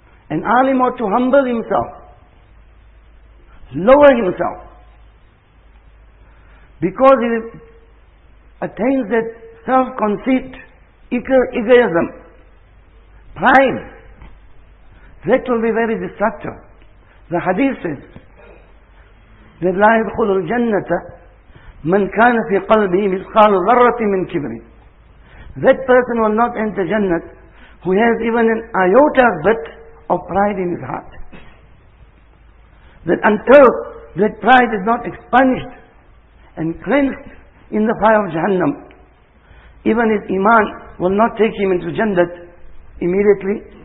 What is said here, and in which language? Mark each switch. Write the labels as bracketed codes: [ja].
[en] An alim ought to humble himself, lower himself, because he attains that self-conceit, egoism, pride, that will be very destructive. The hadith says that [ar] لا يدخل الجنة من كان في قلبه مثقال ذرة من كبر. [en] That person will not enter Jannat who has even an iota bit of pride in his heart. That until that pride is not expunged and cleansed in the fire of Jahannam, even his iman will not take him into Jannat immediately.